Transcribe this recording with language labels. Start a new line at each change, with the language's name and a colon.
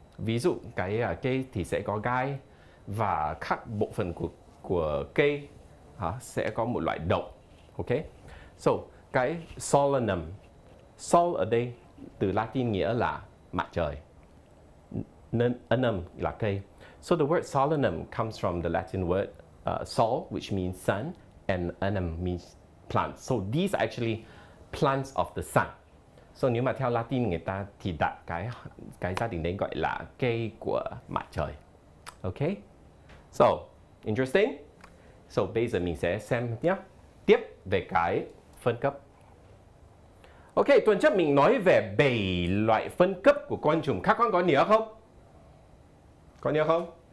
Vietnamese: Ví dụ cái cây thì sẽ có gai và các bộ phận của cây sẽ có một loại độc. Ok? So, cái solanum. Sol ở đây từ Latin nghĩa là mặt trời. Anum là cây.
English: So the word solanum comes from the Latin word sol, which means sun, and anum means plant. So these are actually plants of the sun.
Vietnamese: So nếu mà theo Latin người ta thì đặt cái gia đình đấy gọi là cây của mặt trời. Okay? So, interesting? So bây giờ mình sẽ xem nhé. Tiếp về cái phân cấp. Ok, tuần trước mình nói về 7 loại phân cấp của côn trùng. Các con có nhớ không? Có nhớ không?